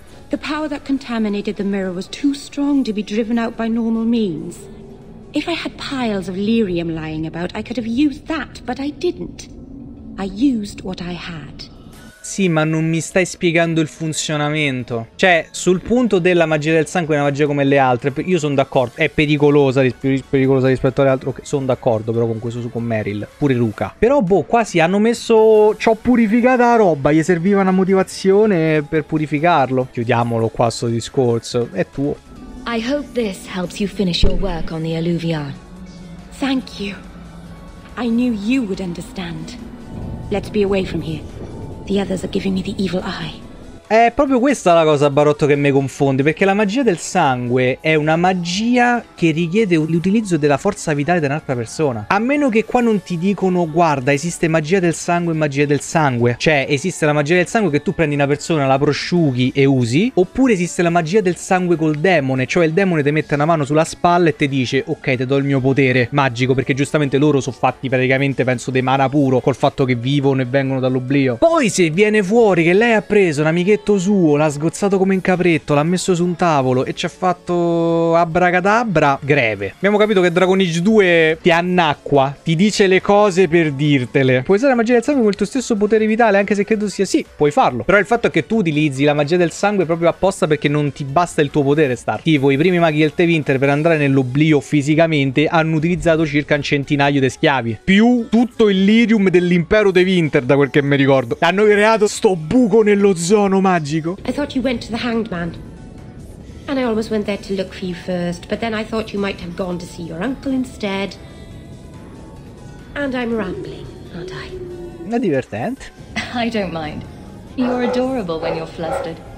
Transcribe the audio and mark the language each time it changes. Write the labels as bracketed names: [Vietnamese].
[English] The power that contaminated the mirror was too strong to be driven out by normal means. If I had piles of lyrium lying about, I could have used that, but I didn't. I used what I had. [Italian] Sì, ma non mi stai spiegando il funzionamento. Cioè, sul punto della magia del sangue, una magia come le altre, io sono d'accordo. È pericolosa, più pericolosa rispetto alle altre. Okay, sono d'accordo però con questo, su con Meryl. Pure Luca. Però, boh, quasi hanno messo... ci ho purificata la roba. Gli serviva una motivazione per purificarlo. Chiudiamolo qua sto discorso. È tuo. [English] I hope this helps you finish your work on the alluvion. Thank you. I knew you would understand. Let's be away from here. The others are giving me the evil eye. [Italian] È proprio questa la cosa, Barotto, che mi confonde. Perché la magia del sangue è una magia che richiede l'utilizzo della forza vitale di un'altra persona. A meno che qua non ti dicono: guarda, esiste magia del sangue e magia del sangue. Cioè, esiste la magia del sangue che tu prendi una persona, la prosciughi e usi. Oppure esiste la magia del sangue col demone. Cioè, il demone ti mette una mano sulla spalla e ti dice: ok, ti do il mio potere magico. Perché giustamente loro sono fatti praticamente, penso, di mana puro, col fatto che vivono e vengono dall'oblio. Poi se viene fuori che lei ha preso un'amica suo, l'ha sgozzato come un capretto, l'ha messo su un tavolo e ci ha fatto abracadabra, greve. Abbiamo capito che Dragon Age 2 ti annacqua, ti dice le cose per dirtele. Puoi usare la magia del sangue con il tuo stesso potere vitale, anche se credo sia sì, puoi farlo. Però il fatto è che tu utilizzi la magia del sangue proprio apposta perché non ti basta il tuo potere, Star. Tipo, i primi maghi del Tevinter, per andare nell'oblio fisicamente, hanno utilizzato circa un centinaio di schiavi. Più tutto il lirium dell'impero Tevinter, da quel che mi ricordo. Hanno creato sto buco nell'ozono magico. [English] I thought you went to the hanged man. And I almost went there to look for you first, but then I thought you might have gone to see your uncle instead. And I'm rambling, aren't I? [Italian] È divertente. [English] I don't mind. You're adorable when you're flustered.